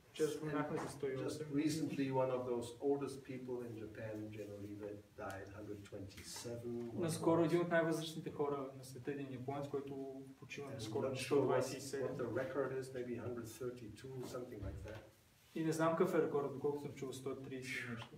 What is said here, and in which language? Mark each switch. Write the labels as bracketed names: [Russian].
[English] Just recently, one of those oldest people in Japan, generally, that died 127. [Bulgarian] Наскоро един от най-възрастните хора на света, един японец, който почива наскоро на 127. [English] What the record is, maybe 132, something like that. [Bulgarian] И не знам какъв е рекордът, доколко съм чувал 130 нещо.